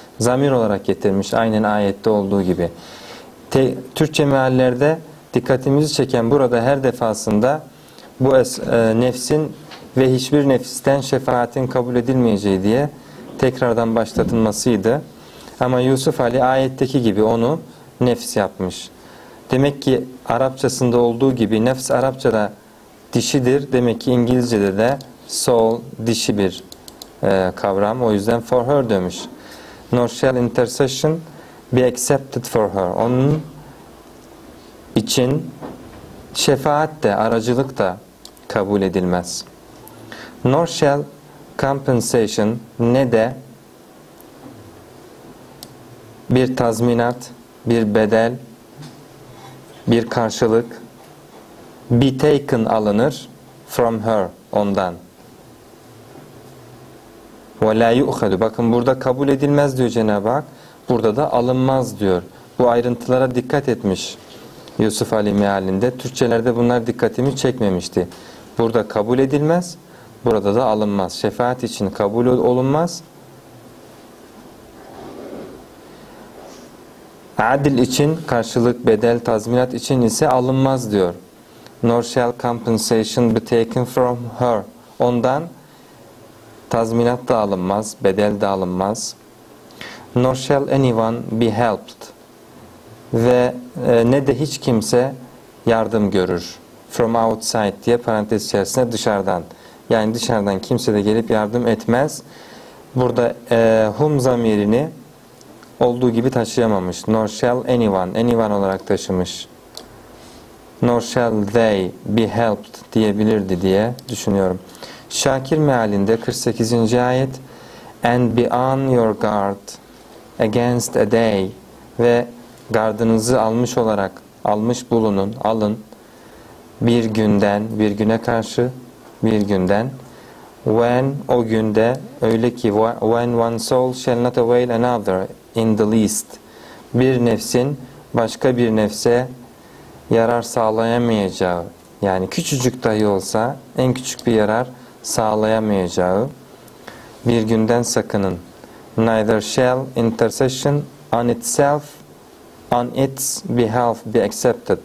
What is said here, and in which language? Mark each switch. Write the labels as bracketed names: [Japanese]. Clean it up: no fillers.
[Turkish] Zamir olarak getirmiş, aynen ayette olduğu gibi. Türkçe meallerde dikkatimizi çeken burada her defasında bu nefsin ve hiçbir nefisten şefaatin kabul edilmeyeceği diye tekrardan başlatılmasıydı. Ama Yusuf Ali ayetteki gibi onu nefs yapmış. Demek ki Arapçasında olduğu gibi nefs Arapçada dişidir. Demek ki İngilizce'de de soul dişi bir kavram. O yüzden [English] for her [Turkish] demiş. [English] Nor shall intercession be accepted for her. [Turkish] Onun için şefaat de, aracılık da kabul edilmez. [English] Nor shall compensation, [Turkish] ne de bir tazminat, bir bedel, bir karşılık [English] be taken, [Turkish] alınır [English] from her, [Turkish] ondan. Ve la yu'hadu. Bakın burada kabul edilmez diyor Cenab-ı Hak. Burada da alınmaz diyor. Bu ayrıntılara dikkat etmiş Yusuf Ali mealinde. Türkçelerde bunlar dikkatimi çekmemişti. Burada kabul edilmez, burada da alınmaz. Şefaat için kabul olunmaz. Adil için, karşılık, bedel, tazminat için ise alınmaz diyor. [English] Nor shall compensation be taken from her. [Turkish] Ondan tazminat da alınmaz, bedel de alınmaz. [English] Nor shall anyone be helped. [Turkish] Ve ne de hiç kimse yardım görür. [English] From outside [Turkish] diye parantez içerisinde dışarıdan. Yani dışarıdan kimse de gelip yardım etmez. Burada hum zamirini olduğu gibi taşıyamamış. [English] Nor shall anyone, [Turkish] anyone olarak taşımış. [English] Nor shall they be helped [Turkish] diyebilirdi diye düşünüyorum. Şakir mealinde 48. ayet. [English] And be on your guard against a day, [Turkish] ve gardınızı almış olarak, almış bulunun, alın bir günden, bir güne karşı, bir günden. [English] When, [Turkish] o günde, öyle ki [English] when one soul shall not avail another in the least, [Turkish] bir nefsin başka bir nefse yarar sağlayamayacağı, yani küçücük dahi olsa en küçük bir yarar sağlayamayacağı bir günden sakının. [English] Neither shall intercession on itself, on its behalf be accepted.